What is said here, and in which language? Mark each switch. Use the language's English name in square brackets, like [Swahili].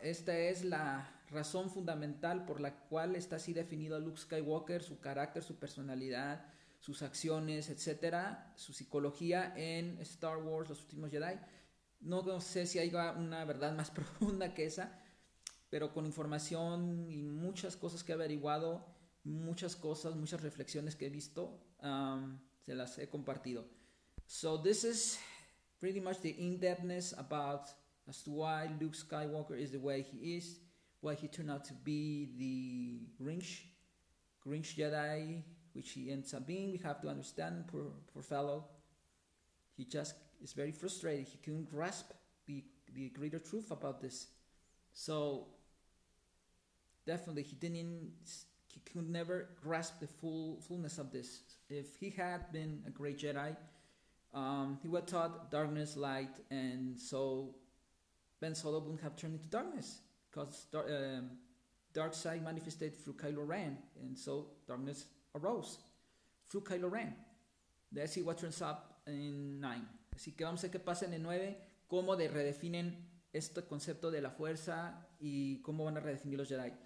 [Spanish] Esta es la razón fundamental por la cual está así definido a Luke Skywalker, su carácter, su personalidad, sus acciones, etcétera, su psicología en Star Wars, Los Últimos Jedi. No sé si hay una verdad más profunda que esa, pero con información y muchas cosas que he averiguado, muchas cosas, muchas reflexiones que he visto, se las he compartido. [English] So this is pretty much the in-depthness about as to why Luke Skywalker is the way he is, why he turned out to be the Grinch Jedi, which he ends up being. We have to understand, poor fellow. He just is very frustrated. He couldn't grasp the greater truth about this. So definitely he could never grasp the fullness of this. If he had been a great Jedi, he would have taught darkness light, and so Ben Solo wouldn't have turned into darkness, because dark side manifested through Kylo Ren, and so darkness arose through Kylo Ren. Let's see what turns up in 9. [Spanish] Así que vamos a ver qué pasa en el 9, cómo redefinen este concepto de la fuerza y cómo van a redefinir los Jedi.